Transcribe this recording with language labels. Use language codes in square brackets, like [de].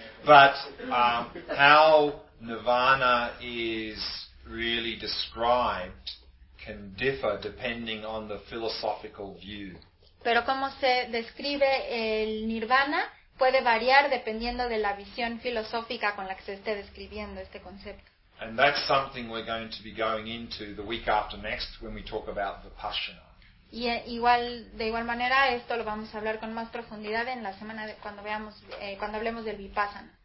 [en] But how nirvana is really described can differ depending on the philosophical view. [es] Pero cómo se describe el nirvana puede variar dependiendo de la visión filosófica con la que se esté describiendo este concepto. [en] And that's something we're going to be going into the week after next when we talk about Vipassana. [es] Y de igual manera esto lo vamos a hablar con más profundidad en la semana de, cuando veamos cuando hablemos del Vipassana.